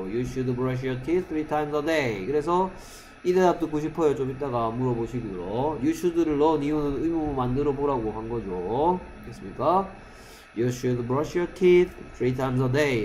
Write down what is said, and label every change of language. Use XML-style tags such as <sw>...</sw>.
<en>You should brush your teeth three times a day.</en> <ko>그래서 이 대답 듣고 싶어요. 좀 이따가 물어보시고요. You should를 넣은 이유는 의문을 만들어 보라고 한 거죠. 됐습니까?</ko> <en>You should brush your teeth three times a day.</en>